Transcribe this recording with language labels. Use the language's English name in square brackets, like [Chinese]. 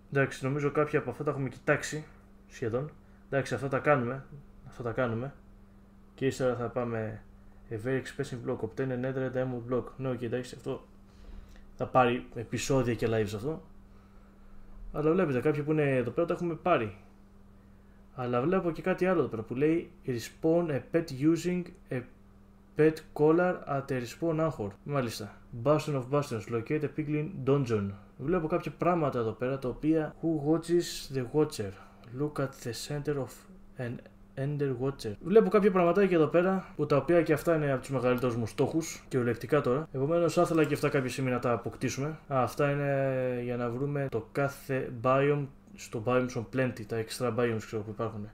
[Greek] Εντάξει, νομίζω κάποια από αυτά τα έχουμε κοιτάξει σχεδόν. Εντάξει, αυτά τα κάνουμε. Αυτά τα κάνουμε. Και ύστερα θα πάμε. [English] A very expensive block. Obtain a nether diamond block. [Greek] Ναι, okay, εντάξει, αυτό θα πάρει επεισόδια και lives αυτό. Αλλά βλέπετε, κάποια που είναι εδώ πέρα τα έχουμε πάρει. Αλλά βλέπω και κάτι άλλο εδώ πέρα που λέει [English] respawn a pet using a pet collar at a respawn anchor. [Greek] Μάλιστα. [English] Bastion of Bastions. Locate a piglin dungeon. [Greek] Βλέπω κάποια πράγματα εδώ πέρα τα οποία. [English] Who watches the watcher? Look at the center of an Ender Watcher. [Greek] Βλέπω κάποια πραγματάκια εδώ πέρα που τα οποία και αυτά είναι από τους μεγαλύτερους μου στόχους. Κυριολεκτικά τώρα. Επομένως, θα ήθελα και αυτά κάποια στιγμή να τα αποκτήσουμε. Αυτά είναι για να βρούμε το κάθε biome στο Biomes on Plenty. Τα extra biomes ξέρω που υπάρχουν.